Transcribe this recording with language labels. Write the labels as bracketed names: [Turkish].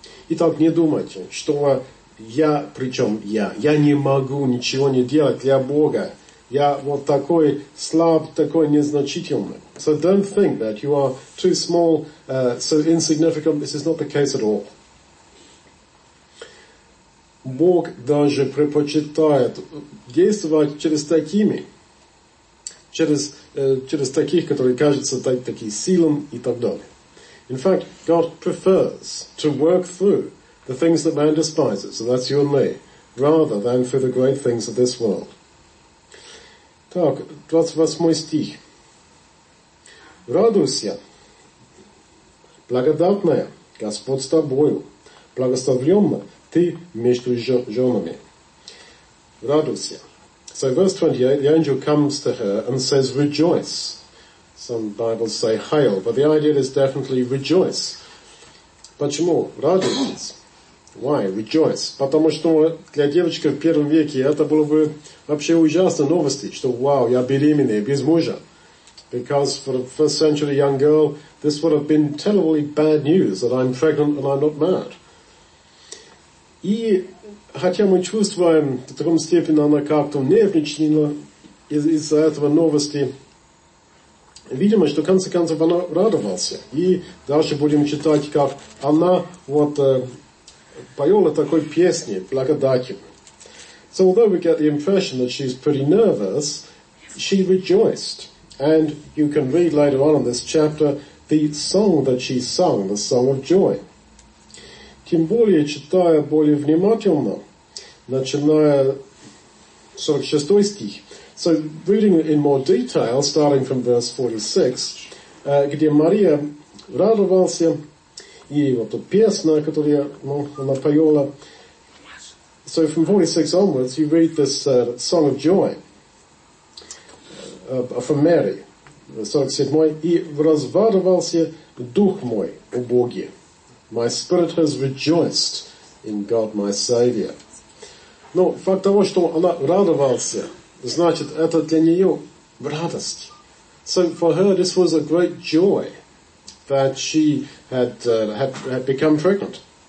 [Russian] Итак, не думайте, что я, причем я не могу ничего не делать для Бога. Я вот такой слаб, такой незначительный. [English] So don't think that you are too small, so insignificant. This is not the case at all. [Russian] Бог даже предпочитает действовать через такими, через таких, которые кажутся таким силам и так далее. [English] In fact, God prefers to work through the things that man despises, so that's you and me, rather than through the great things of this world. [Russian] Так, 28 стих. Радуйся, благодатная, Господь с тобою, благословленная, ты между женами. Радуйся. [English] So verse 28, the angel comes to her and says, rejoice. Some Bibles say hail, but the idea is definitely rejoice. [Russian] Почему? Радуйтесь. [English] Why? Rejoice. [Russian] Потому что для девочки в первом веке это было бы вообще ужасной новости, что, вау, я беременная, без мужа. [English] Because for a first century young girl, this would have been terribly bad news, that I'm pregnant and I'm not married. [Russian] И хотя мы чувствуем, в таком степени она как-то нервничала из-за этого новости, видимо, что в конце концов она радовалась. И дальше будем читать, как она вот поёла такой песни благодати. [English] So although we get the impression that she's pretty nervous, she rejoiced. And you can read later on in this chapter the song that she sung, the song of joy. [Russian] Тем более, читая более внимательно, начиная 46 стих. [English] So reading in more detail, starting from verse 46, [Russian] где Мария радовался, и вот эта песня, которую она поёла. [English] So from 46 onwards, you read this song of joy from Mary. 47. [Russian] И возрадовался дух мой о Боге. [English] My spirit has rejoiced in God my Savior. [Russian] Но факт того, что она радовался, значит, это для нее радость. [English] So for her, this was a great joy that she had become pregnant.